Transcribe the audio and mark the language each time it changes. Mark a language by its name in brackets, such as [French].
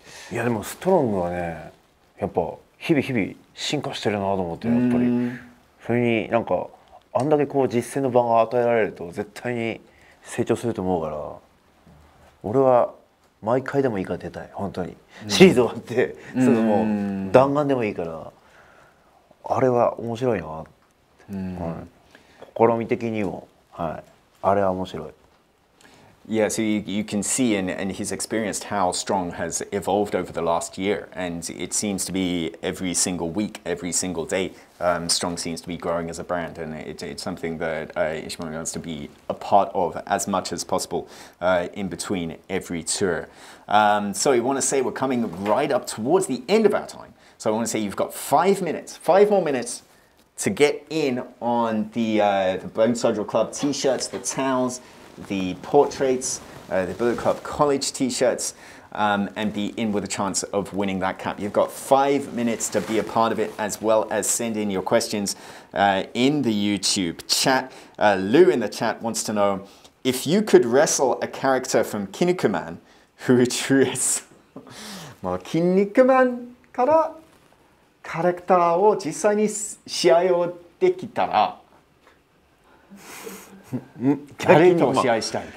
[Japanese] いやでもストロングはねやっぱ日々日々進化してるなと思ってやっぱりそれになんかあんだけこう実践の場が与えられると絶対に成長すると思うから俺は毎回でもいいから出たい本当にシリーズ終わってそのもう弾丸でもいいからあれは面白いなって、うん、試み的にも、はい、あれは面白い [English] Yeah, so you can see and he's experienced how Strong has evolved over the last year. And it seems to be every single week, every single day, Strong seems to be growing as a brand. And it's something that Ishimori wants to be a part of as much as possible in between every tour. So I want to say we're coming right up towards the end of our time. So I want to say you've got 5 minutes, five more minutes. To get in on the Bone Soldier Club t-shirts, the towels, the portraits, the Bullet Club College t-shirts, and be in with a chance of winning that cap. You've got 5 minutes to be a part of it, as well as send in your questions in the YouTube chat. Lou in the chat wants to know, if you could wrestle a character from Kinnikuman, who would you wrestle? Well, Kinnikuman [Japanese] から? キャラクターを実際に試合をできたら誰と試合したい？